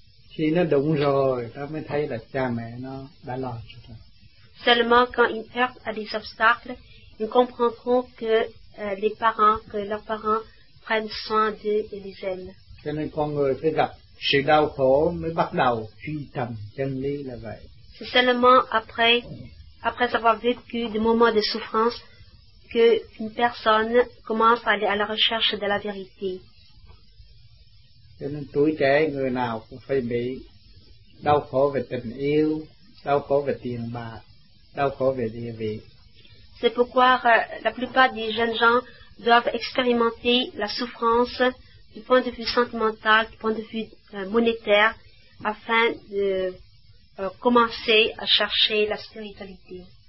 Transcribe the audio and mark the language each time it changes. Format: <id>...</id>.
<vi>Khi nó đụng rồi, nó mới thấy là cha mẹ nó đã lo cho nó.</vi> <fr>Seulement quand ils heurtent à des obstacles, ils comprendront que les parents, que leurs parents prennent soin d'eux et les aiment.</fr> <vi>Cho nên con người phải gặp sự đau khổ mới bắt đầu truy tầm chân lý là vậy.</vi> <fr>C'est seulement après avoir vécu des moments de souffrance qu'une personne commence à aller à la recherche de la vérité.</fr> <vi>Cho nên tuổi trẻ người nào cũng phải bị đau khổ về tình yêu, đau khổ về tiền bạc, đau khổ về địa vị.</vi> <fr>C'est pourquoi la plupart des jeunes gens doivent expérimenter la souffrance du point de vue sentimental, du point de vue monétaire, afin de commencer à chercher la spiritualité.</fr>